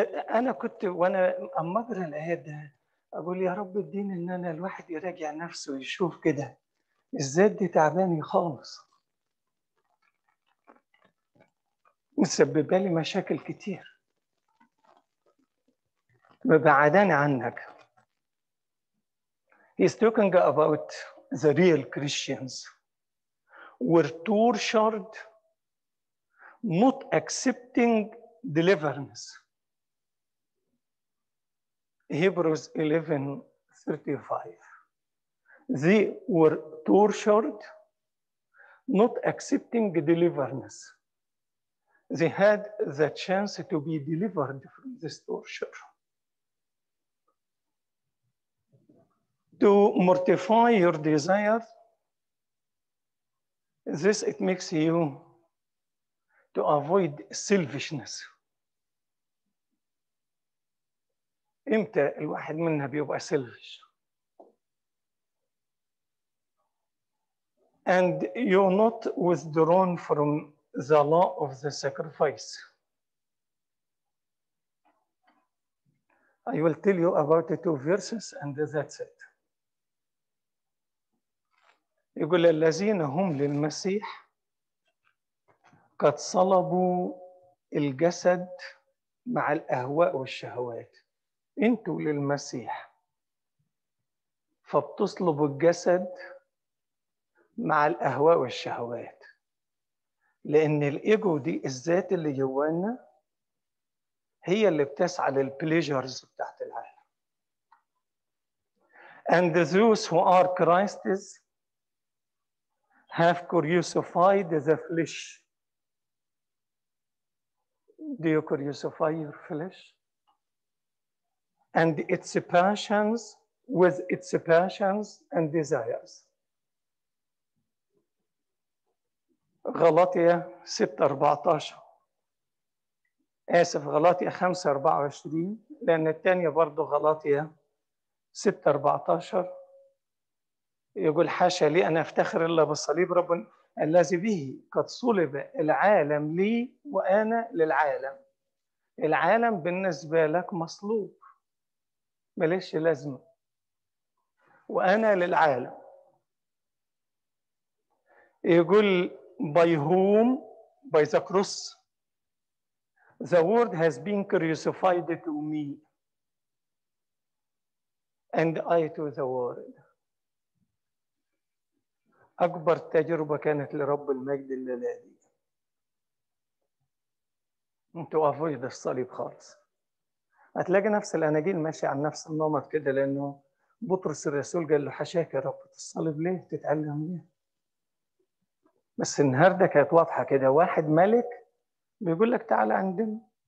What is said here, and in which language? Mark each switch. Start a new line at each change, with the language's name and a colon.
Arabic: أنا كنت وأنا أما أقرأ الآية ده أقول يا رب الدين إن أنا الواحد يراجع نفسه ويشوف كده الزاد دي تعباني خالص مسببالي مشاكل كتير مبعداني عنك.
English: He's talking about the real Christians were tortured, not accepting deliverance. Hebrews 11:35. They were tortured, not accepting deliverance. They had the chance to be delivered from this torture. To mortify your desire, this it makes you to avoid selfishness.
Arabic: امتى الواحد منا بيبقى selfish?
English: And you're not withdrawn from the law of the sacrifice. I will tell you about the two verses and that's it.
Arabic: يقول الذين هم للمسيح قد صلبوا الجسد مع الأهواء والشهوات. أنتوا للمسيح فبتصلبوا الجسد مع الأهواء والشهوات، لأن الإيجو دي الذات اللي جوانا هي اللي بتسعى للبليجرز بتاعت العالم.
English: And those who are Christ's have crucified the flesh. Do you crucify your flesh? And its passions with its passions and desires.
Arabic: غلاطية 6:14. آسف غلاطية 5:24، لأن الثانية برضو غلاطية 6:14. يقول حاشا لي أن أفتخر إلا بالصليب رب الذي به قد صلب العالم لي وأنا للعالم. العالم بالنسبة لك مصلوب، ماليش لازمة، وأنا للعالم.
English: يقول by whom, by the cross, the world has been crucified to me and I to the world.
Arabic: أكبر تجربة كانت لرب المجد الليلادي. أنتوا أفويد الصليب خالص. هتلاقي نفس الأناجيل ماشي على نفس النمط كده، لأنه بطرس الرسول قال له حشاك يا رب الصليب ليه تتعلم ليه؟ بس النهاردة كانت واضحة كده، واحد ملك بيقول لك تعال عندنا.